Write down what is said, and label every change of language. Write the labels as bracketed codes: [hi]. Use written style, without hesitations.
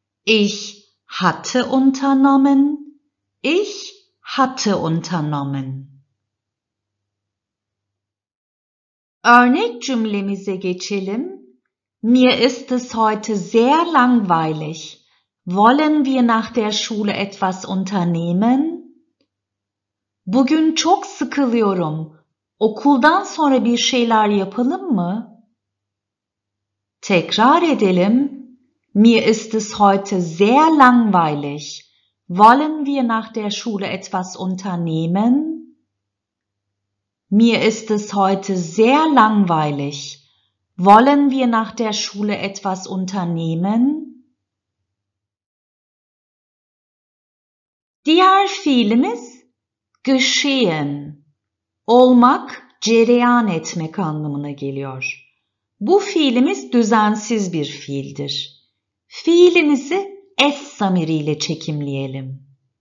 [de] Ich hatte unternommen. Ich hatte unternommen. [tr] Cümlemize geçelim. [de] Mir ist es heute sehr langweilig. Wollen wir nach der Schule etwas unternehmen? [tr] Bugün çok sıkılıyorum. Okuldan sonra bir şeyler yapalım mı? Tekrar edelim. [de] Mir ist es heute sehr langweilig. Wollen wir nach der Schule etwas unternehmen? Mir ist es heute sehr langweilig. Wollen wir nach der Schule etwas unternehmen? [tr] Diğer fiilimiz geschehen, olmak, cereyan etmek anlamına geliyor. Bu fiilimiz düzensiz bir fiildir. Fiilimizi es zamiriyle çekimleyelim.